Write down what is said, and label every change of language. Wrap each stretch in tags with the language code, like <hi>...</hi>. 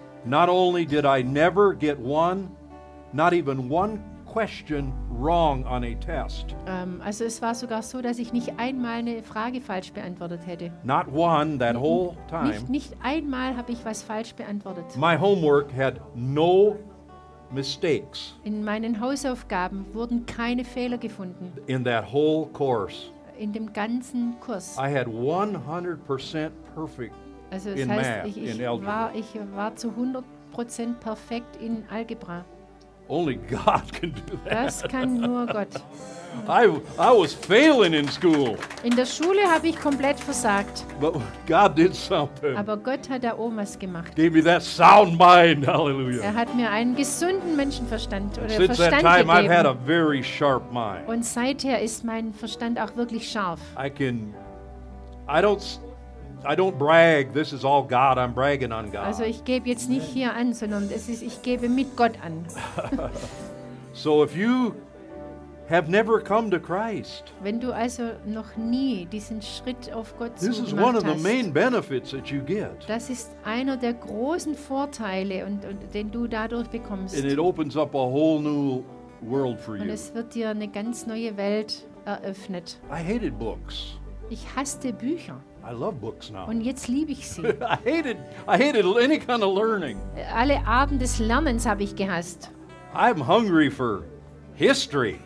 <en>Not only did I never get one, not even one question wrong on a test.</en> <de>Also es war sogar so, dass ich nicht einmal eine Frage falsch beantwortet hätte.</de> <en>Not one that whole time.</en> <de>Nicht einmal habe ich was falsch beantwortet.</de> <en>My homework had no mistakes.</en> <de>In meinen Hausaufgaben wurden keine Fehler gefunden.</de> <en>In that whole course.</en> <de>In dem ganzen Kurs.</de> <en>I had 100% perfect</en> <de>also</de> <en>in</en> <de>heißt,</de> <en>math,</en> <de>ich,</de> <en>in algebra.</en> <de>Ich war zu 100% perfekt in Algebra.</de> <en>Only God can do that.</en> <de>Das kann nur Gott.</de> <en>I was failing in school.</en> <de>In der Schule habe ich komplett versagt.</de> <en>But God did something.</en> <de>Aber Gott hat da oben was gemacht.</de> <en>Gave me that sound mind. Hallelujah.</en> <de>Er hat mir einen gesunden Menschenverstand oder</de> <en>Since</en> <de>Verstand</de> <en>that time,</en> <de>gegeben.</de> <en>I've had a very sharp mind.</en> <de>Und seither ist mein Verstand auch wirklich scharf.</de> <en>I don't brag. This is all God. I'm bragging on God.</en> <de>Also ich gebe jetzt nicht hier an, sondern es ist, ich gebe mit Gott an.</de> <en>So if you have never come to Christ.</en> <de>Wenn du also noch nie diesen Schritt auf Gott zu gemacht hast.</de> <en>This is one of the main benefits that you get.</en> <de>Das ist einer der großen Vorteile und den du dadurch bekommst.</de> <en>And it opens up a whole new world for you.</en> <de>Und es wird dir eine ganz neue Welt eröffnet.</de> <en>I hated books.</en> <de>Ich hasste Bücher.</de> <en>I love books now.</en> <de>Und jetzt liebe ich sie.</de> <en>I hated any kind of learning.</en> <de>Alle Arten des Lernens habe ich gehasst.</de> <en>I'm hungry for history.</en>